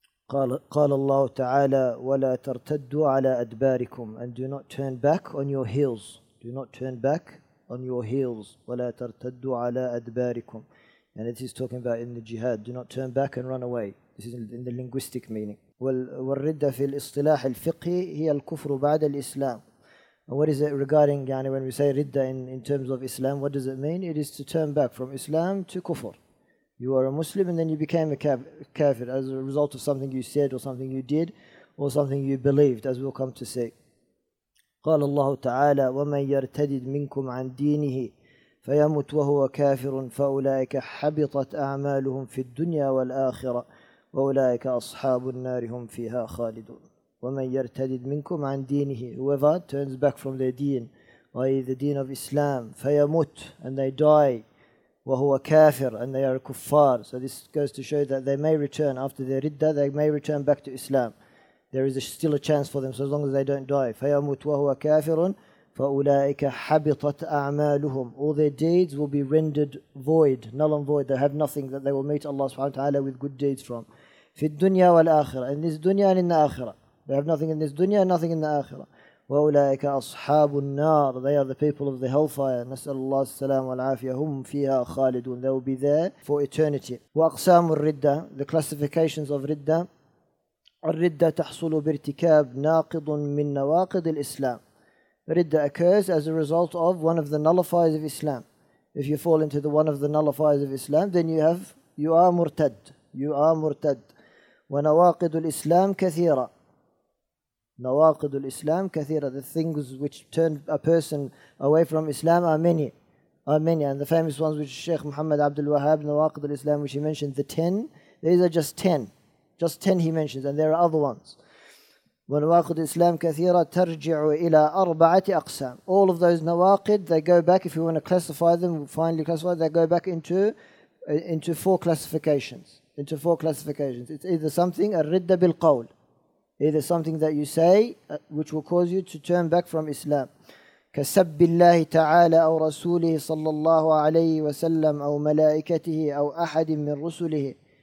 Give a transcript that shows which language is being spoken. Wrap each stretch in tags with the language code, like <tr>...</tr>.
<ar>قال الله تعالى ولا ترتدوا على أدباركم,</ar> <en>and do not turn back on your heels. Do not turn back on your heels.</en> <ar>ولا ترتدوا على أدباركم.</ar> <en>And this is talking about in the jihad. Do not turn back and run away. This is in the linguistic meaning.</en> <ar>والردة في الاصطلاح الفقهي هي الكفر بعد الإسلام.</ar> <en>What is it regarding, when we say ridda in terms of Islam, what does it mean? It is to turn back from Islam to kufr. You are a Muslim and then you became a kafir as a result of something you said or something you did or something you believed, as we'll come to say.</en> <ar>قال الله تعالى وَمَنْ يَرْتَدِدْ مِنْكُمْ عَنْ دِينِهِ فيموت وهو كافر فأولئك حبطت أعمالهم في الدنيا والآخرة وأولئك أصحاب النار هم فيها خالدون. ومن يرتد منكم عن دينه,</ar> <en>whoever turns back from their deen, i.e. the deen of Islam,</en> <ar>فيموت,</ar> <en>and they die,</en> <ar>وهو كافر,</ar> <en>and they are kuffar. So this goes to show that they may return after their ridda, they may return back to Islam. There is still a chance for them, so as long as they don't die.</en> <ar>فيموت وهو كافر فَأُولَٰئِكَ حَبِطَتْ أَعْمَالُهُمْ.</ar> <en>All their deeds will be rendered void, null and void. They have nothing that they will meet Allah subhanahu wa ta'ala with good deeds from.</en> <ar>فِي الدُّنْيَا وَالْآخِرَةِ,</ar> <en>in this dunya and in the akhirah. They have nothing in this dunya and nothing in the akhirah.</en> <ar>وَأُولَٰئِكَ أَصْحَابُ النَّارِ,</ar> <en>they are the people of the hellfire.</en> <ar>نَسْأَلُ اللَّهِ السَّلَامُ وَالْعَافِيَةِ, هُمْ فِيهَا خَالِدُونَ,</ar> <en>they will be there for eternity.</en> <ar>وَأَقْسَامُ الرِّدَّةِ,</ar> <en>the classifications of ridda.</en> <ar>الرِّدَّةِ تَحْصُلُ بِارْتِكَابِ نَاقِضٌ مِنْ نَوَاقِضِ الْإِسْلَامِ.</ar> <en>Ridda occurs as a result of one of the nullifiers of Islam. If you fall into the one of the nullifiers of Islam, then you are murtad. You are murtad.</en> <ar>ونواقض الإسلام كثيرة. نواقض الإسلام كثيرة.</ar> <en>The things which turn a person away from Islam are many. Are many. And the famous ones which Sheikh Muhammad Abdul Wahhab,</en> <ar>نواقض الإسلام,</ar> <en>which he mentioned, the 10. These are just 10. Just 10 he mentions, and there are other ones.</en> <ar>ونواقض الإسلام كثيرة ترجع إلى أربعة أقسام.</ar> <en>All of those نواقض, they go back, if you want to classify them, finally classify, they go back into four classifications. Into four classifications. It's either something,</en> <ar>الردة بالقول.</ar> <en>Either something that you say, which will cause you to turn back from Islam.</en> <ar>كسب الله تعالى أو رسوله صلى الله عليه وسلم أو ملائكته أو أحد من رسله.</ar>